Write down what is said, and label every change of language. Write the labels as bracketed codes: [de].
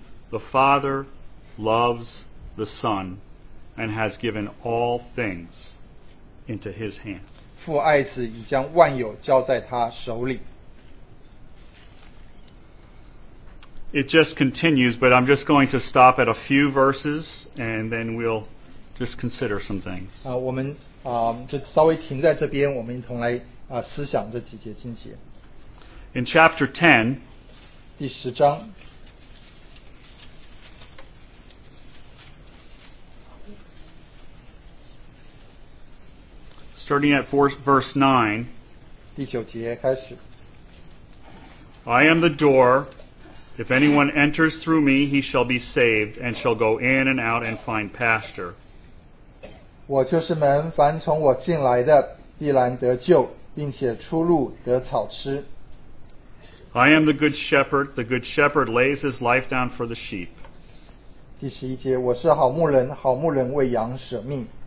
[en] The Father loves the Son and has given all things into his hand. [zh] 父爱子已将万有交在他手里。 [en] It just continues, but I'm just going to stop at a few verses and then we'll just consider some things. [zh] 我们就稍微停在这边，我们一同来思想这几节经节。 [en] In chapter 10, [zh] 第十章, [en] starting at verse 9, [zh] 第九节开始, [en] I am the door. If anyone enters through me, he shall be saved, and shall go in and out and find pasture. [zh] 我就是门,凡从我进来的,必然得救,并且出路得草吃。 [en] I am the good shepherd. The good shepherd lays his life down for the sheep. [zh] 第十一节,我是好牧人,好牧人为羊舍命。